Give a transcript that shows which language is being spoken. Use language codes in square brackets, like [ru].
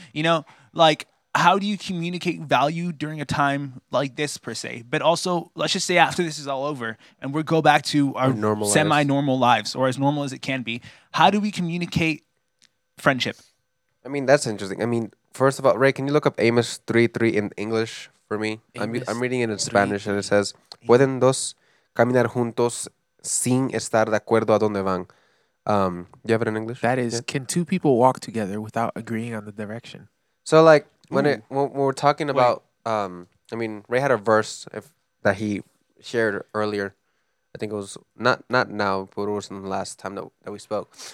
[en] You know, like, how do you communicate value during a time like this, per se? But also, let's just say after this is all over and we'll go back to our normal semi-normal lives, or as normal as it can be, how do we communicate friendship? I mean, that's interesting. I mean, first of all, Ray, can you look up Amos 3:3 in English for me? I'm reading it in Spanish, and it says, [es] ¿Pueden dos caminar juntos sin estar de acuerdo a donde van? [en] Do you have it in English? That is, can two people walk together without agreeing on the direction? So, like, when we're talking about, I mean, Ray had a verse that he shared earlier. I think it was not now, but it was in the last time that we spoke.